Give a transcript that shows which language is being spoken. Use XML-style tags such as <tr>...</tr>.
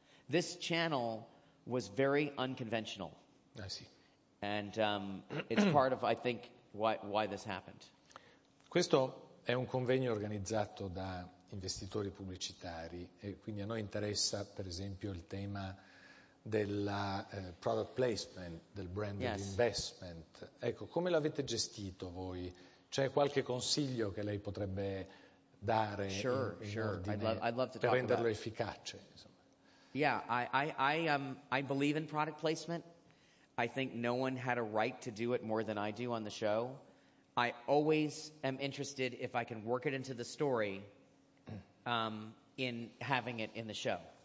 <en>This channel was very unconventional. I see. And it's part of, I think, why this happened.</en> <it>Questo è un convegno organizzato da investitori pubblicitari, e quindi a noi interessa, per esempio, il tema della product placement, del brand investment. Ecco, come l'avete gestito voi? C'è qualche consiglio che lei potrebbe dare</it> <en>I'd love to talk</en> <it>renderlo efficace?</it> <en>Yeah, I believe in product placement. I think no one had a right to do it more than I do on the show. I always am interested, if I can work it into the story, in having it in the show.</en>